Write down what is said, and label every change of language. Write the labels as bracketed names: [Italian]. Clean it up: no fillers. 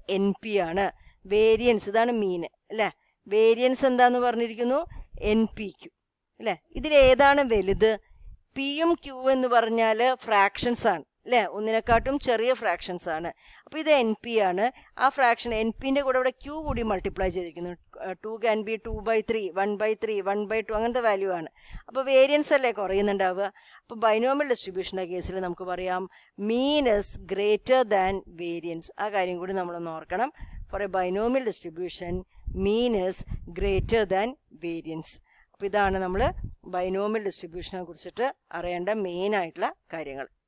[Malayalam] N P ആണ്. Variance ഇതാണ് മീൻ അല്ലേ. വേരിയൻസ് എന്താന്ന് പറഞ്ഞിരിക്കുന്നു? എൻ പി ക്യു അല്ലേ. ഇതിലേതാണ് വലുത്? പിയും ക്യൂ എന്ന് പറഞ്ഞാൽ ഫ്രാക്ഷൻസ് ആണ് അല്ലേ, ഒന്നിനെക്കാട്ടും ചെറിയ ഫ്രാക്ഷൻസ് ആണ്. അപ്പോൾ ഇത് എൻ പി ആണ്. ആ ഫ്രാക്ഷൻ എൻ പിൻ്റെ കൂടെ ഇവിടെ ക്യൂ കൂടി മൾട്ടിപ്ലൈ ചെയ്തിരിക്കുന്നു. [English] 2 can be 2 by 3, 1 by 3, 1 by 2 [Malayalam] അങ്ങനത്തെ വാല്യൂ ആണ്. അപ്പോൾ വേരിയൻസ് അല്ലേ കുറയുന്നുണ്ടാവുക. അപ്പോൾ ബൈനോമിയൽ ഡിസ്ട്രിബ്യൂഷൻ്റെ കേസിൽ നമുക്ക് പറയാം [English] Mean is greater than variance. [Malayalam] ആ കാര്യം കൂടി നമ്മളൊന്ന് ഓർക്കണം. [English] For a binomial distribution mean is greater than variance. [Malayalam] അപ്പോൾ ഇതാണ് നമ്മൾ ബൈനോമിയൽ ഡിസ്ട്രിബ്യൂഷനെ കുറിച്ചിട്ട് അറിയേണ്ട മെയിനായിട്ടുള്ള കാര്യങ്ങൾ.